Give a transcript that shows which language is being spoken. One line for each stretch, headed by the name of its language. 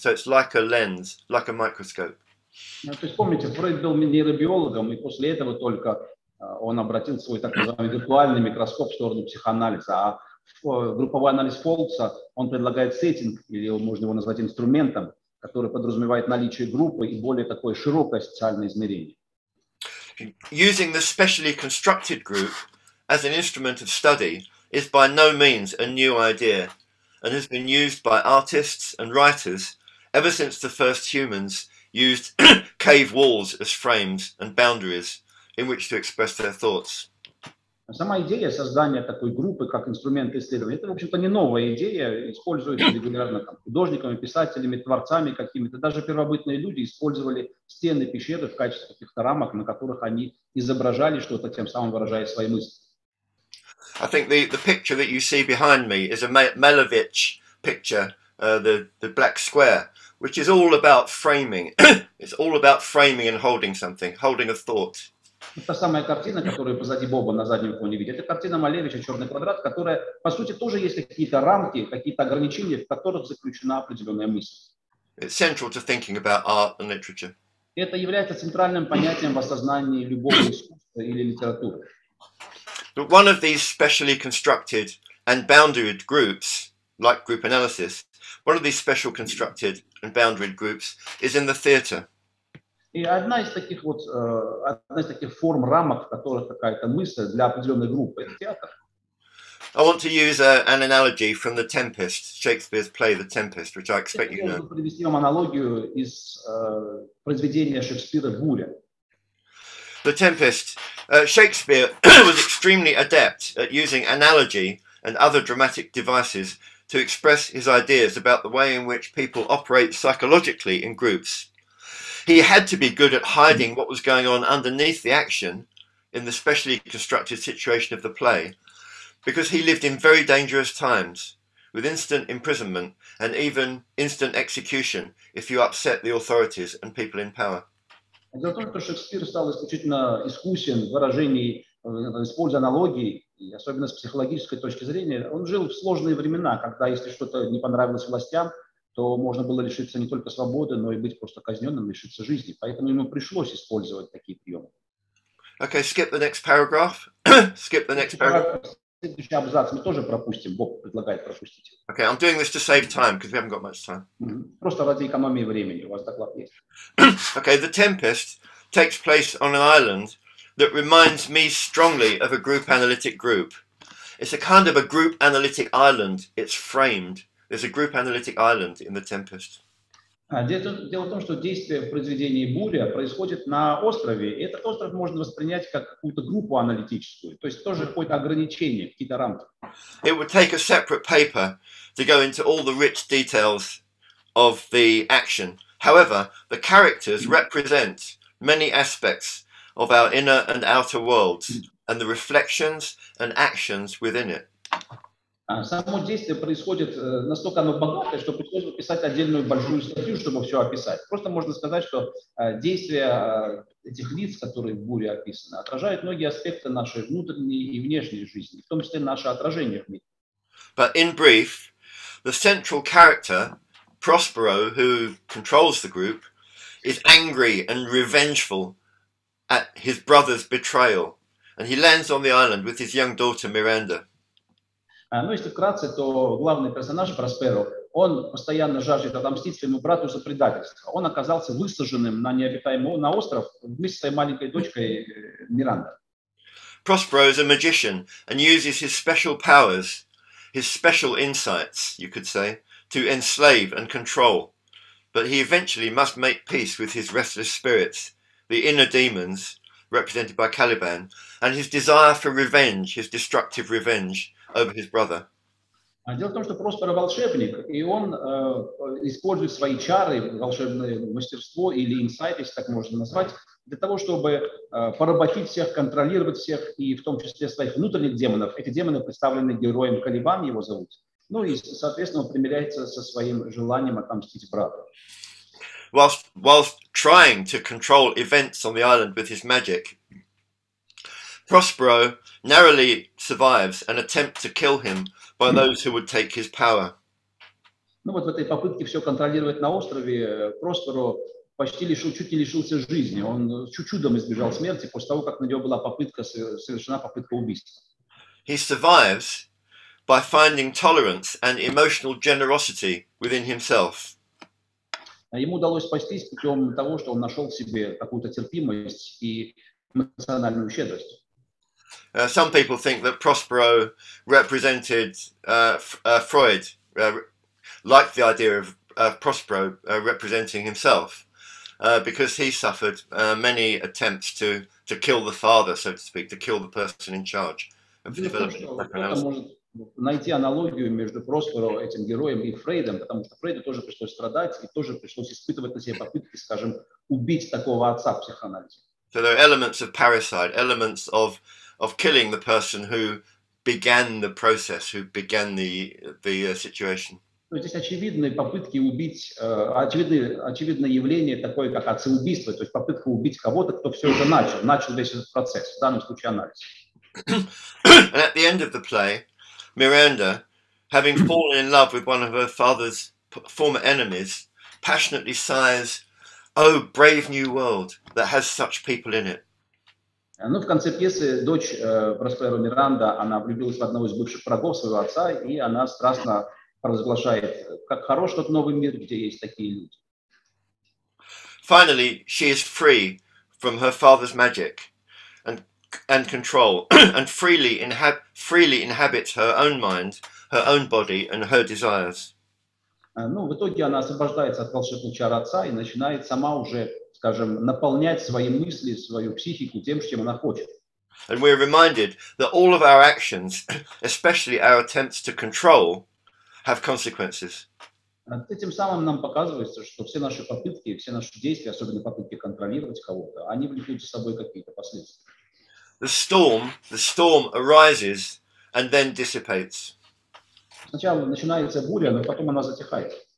English: So it's like a lens, like a microscope.
Russian: То есть помните, Фрейд был нейробиологом, и после этого только он обратил свой так называемый виртуальный микроскоп в сторону психоанализа. А групповой анализ Фолкса, он предлагает сеттинг, или можно его назвать инструментом, который подразумевает наличие группы и более такое широкое социальное измерение.
English: Using the specially constructed group as an instrument of study is by no means a new idea and has been used by artists and writers ever since the first humans used cave walls as frames and boundaries in which to express their thoughts.
Russian: Сама идея создания такой группы как инструмент исследования, это, в общем-то, не новая идея, используется регулярно там, художниками, писателями, творцами какими-то. Даже первобытные люди использовали стены пещеры в качестве каких-то рамок, на которых они изображали что-то, тем самым выражая свои мысли.
English: I think the picture that you see behind me is a Malevich picture, the black square, which is all about framing. It's all about framing and holding something, holding a thought.
Russian: Та самая картина, которую позади Боба на заднем фоне видит, это картина Малевича «Черный квадрат», которая, по сути, тоже есть какие-то рамки, какие-то ограничения, в которых заключена определенная мысль.
English: It's central to thinking about art and literature.
Russian: Это является центральным понятием в осознании любого искусства или литературы.
English: But one of these specially constructed and boundaried groups, like group analysis, one of these special constructed and boundaried groups is in the theater.
Russian: И одна из таких вот, одна из таких форм рамок, в которых какая-то мысль для определенной группы, это театр.
English: I want to use an analogy from The Tempest, Shakespeare's play The Tempest, which I expect you know.
Russian: Я хочу привести вам аналогию из произведения Шекспира «Буря».
English: The Tempest. Shakespeare was extremely adept at using analogy and other dramatic devices to express his ideas about the way in which people operate psychologically in groups. He had to be good at hiding what was going on underneath the action in the specially constructed situation of the play, because he lived in very dangerous times, with instant imprisonment and even instant execution if you upset the authorities and people in power.
Russian: Дело в том, что Шекспир стал исключительно искусен в выражении, используя аналогии, и особенно с психологической точки зрения. Он жил в сложные времена, когда если что-то не понравилось властям, то можно было лишиться не только свободы, но и быть просто казненным, лишиться жизни. Поэтому ему пришлось использовать такие приемы.
English: Okay, skip the next paragraph. Skip the next paragraph.
Russian: Следующий абзац мы тоже пропустим. Боб предлагает пропустить.
English: Okay, I'm doing this to save time, because we haven't got much time.
Russian: Просто ради экономии времени. У вас доклад есть.
English: Okay, The Tempest takes place on an island that reminds me strongly of a group analytic group. It's a kind of a group analytic island. It's framed. There's a group analytic island in The Tempest.
Russian: Дело в том, что действие в произведении «Буря» происходит на острове. Этот остров можно воспринять как какую-то группу аналитическую, то есть тоже какое-то ограничение, какие-то рамки.
English: It would take a separate paper to go into all the rich details of the action. However, the characters represent many aspects of our inner and outer worlds and the reflections and actions within it.
Russian: Само действие происходит настолько оно богатое, что пришлось писать отдельную большую статью, чтобы все описать. Просто можно сказать, что действия этих лиц, которые в буре описаны, отражают многие аспекты нашей внутренней и внешней жизни, в том числе наше отражение в мире.
English: But in brief, the central character, Prospero, who controls the group, is angry and revengeful at his brother's betrayal. And he lands on the island with his young daughter, Miranda.
Russian: Ну, если вкратце, то главный персонаж, Просперо, он постоянно жаждет отомстить своему брату за предательство. Он оказался высаженным на необитаемый на остров вместе с своей маленькой дочкой Миранда.
English: Prospero is a magician and uses his special powers, his special insights, you could say, to enslave and control. But he eventually must make peace with his restless spirits, the inner demons, represented by Caliban, and his desire for revenge, his destructive revenge over his brother.
Russian: Дело в том, что Проспера волшебник, и он использует свои чары, волшебное мастерство или инсайт, если так можно назвать, для того, чтобы поработить всех, контролировать всех, и в том числе своих внутренних демонов. Эти демоны представлены героем Калибан, его зовут. Ну и, соответственно, он примиряется со своим желанием отомстить брату.
English: Whilst trying to control events on the island with his magic, Prospero narrowly survives an attempt to kill him by those who would take his power.
Russian: Ну вот в этой попытке все контролировать на острове Просперо почти лишил, чуть не лишился жизни. Он чудом избежал смерти после того, как на него была попытка совершена попытка убийства.
English: He survives by finding tolerance and emotional generosity within himself.
Russian: Ему удалось спастись путем того, что он нашел в себе какую-то терпимость и эмоциональную щедрость.
English: Some people think that Prospero represented Freud, liked the idea of Prospero representing himself, because he suffered many attempts to kill the father, so to speak, to kill the person in charge of the development.
Russian: Найти аналогию между Проспером, этим героем, и Фрейдом, потому что Фрейду тоже пришлось страдать и тоже пришлось испытывать на себе попытки, скажем, убить такого отца в психоанализе.
English: So there are elements of parricide, elements of killing the person who began the process, who began the situation.
Russian: Здесь очевидные попытки убить, очевидное явление такое, как отцеубийство, то есть попытка убить кого-то, кто все уже начал весь этот процесс, в данном случае анализ.
English: And at the end of the play, Miranda, having fallen in love with one of her father's former enemies, passionately sighs, "Oh, brave new world that has such people in it."
Russian: Ну, в конце пьесы дочь Просперо Миранда, она влюбилась в одного из бывших врагов своего отца, и она страстно провозглашает, как хорош тот новый мир, где есть такие люди.
English: Finally, she is free from her father's magic and control, and freely inhabits her own mind, her own body, and her desires.
Russian: Ну, в итоге она освобождается от волшебных чар отца и начинает сама уже, скажем, наполнять свои мысли, свою психику тем, чем она хочет.
English: And we are reminded that all of our actions, especially our attempts to control, have consequences.
Russian: Этим самым нам показывается, что все наши попытки, все наши действия, особенно попытки контролировать кого-то, они влекут за собой какие-то последствия.
English: The storm arises and then dissipates.
Russian: Сначала начинается буря, но потом она затихает.